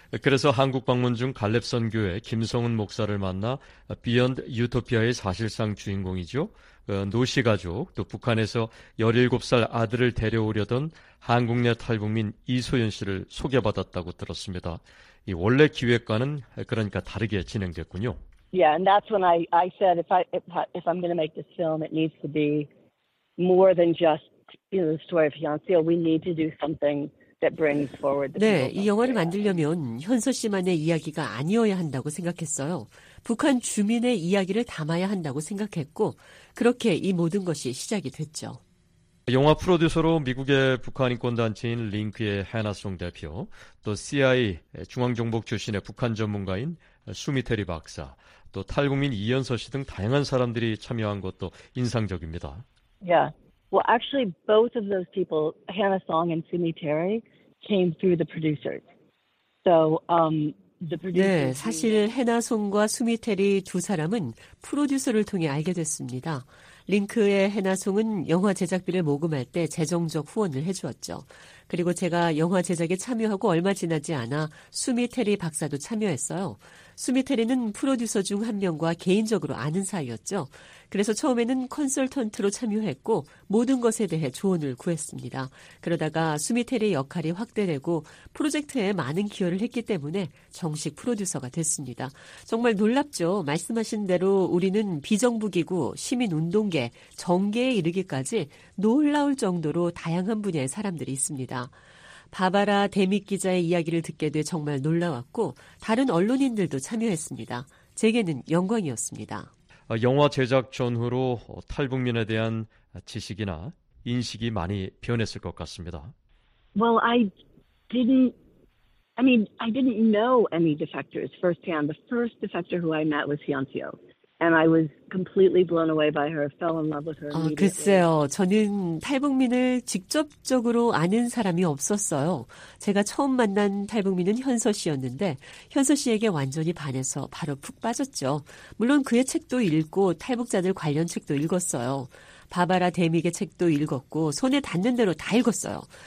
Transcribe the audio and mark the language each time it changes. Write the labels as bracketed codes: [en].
[ko] 그래서 한국 방문 중 갈렙선교회 김성은 목사를 만나 비욘드 유토피아의 사실상 주인공이죠. 노씨 가족, 또 북한에서 17살 아들을 데려오려던 한국 내 탈북민 이소연 씨를 소개받았다고 들었습니다. 이 원래 기획과는 그러니까 다르게 진행됐군요. [en] Yeah, and that's when I said if I'm going to make this film, it needs to be more than just, you know, the story of Hyeonseo. We need to do something that brings forward the [ko] 네, 이 영화를 만들려면 현서 씨만의 이야기가 아니어야 한다고 생각했어요. 북한 주민의 이야기를 담아야 한다고 생각했고 그렇게 이 모든 것이 시작이 됐죠. 영화 프로듀서로 미국의 북한 인권단체인 링크의 해나송 대표, 또 CIA 중앙정보국 출신의 북한 전문가인 수미테리 박사, 또 탈북민 이현서 씨 등 다양한 사람들이 참여한 것도 인상적입니다. [en] Yeah. Well, actually both of those people, Hannah Song and Sumiteri, came through the producers. So, [ko] 네, 사실 해나송과 수미테리 두 사람은 프로듀서를 통해 알게 됐습니다. 링크의 해나송은 영화 제작비를 모금할 때 재정적 후원을 해주었죠. 그리고 제가 영화 제작에 참여하고 얼마 지나지 않아 수미테리 박사도 참여했어요. 수미테리는 프로듀서 중 한 명과 개인적으로 아는 사이였죠. 그래서 처음에는 컨설턴트로 참여했고 모든 것에 대해 조언을 구했습니다. 그러다가 수미테리 역할이 확대되고 프로젝트에 많은 기여를 했기 때문에 정식 프로듀서가 됐습니다. 정말 놀랍죠. 말씀하신 대로 우리는 비정부기구, 시민운동계, 정계에 이르기까지 놀라울 정도로 다양한 분야의 사람들이 있습니다. 바바라 데믹 기자의 이야기를 듣게 돼 정말 놀라웠고 다른 언론인들도 참여했습니다. 제게는 영광이었습니다. 영화 제작 전후로 탈북민에 대한 지식이나 인식이 많이 변했을 것 같습니다. [en] Well, I didn't know any defectors firsthand. The first defector who I met was Hyeonseo. And I was completely blown away by her. Fell in love with her. [ko] 글쎄요. 저는 탈북민을 직접적으로 아는 사람이 없었어요. 제가 처음 만난 탈북민은 현서 씨였는데 현서 씨에게 완전히 반해서 바로 푹 빠졌죠. 물론 그의 책도 읽고 탈북자들 관련 책도 읽었어요. 바바라 데믹의 책도 읽었고 손에 닿는 대로 다 읽었어요.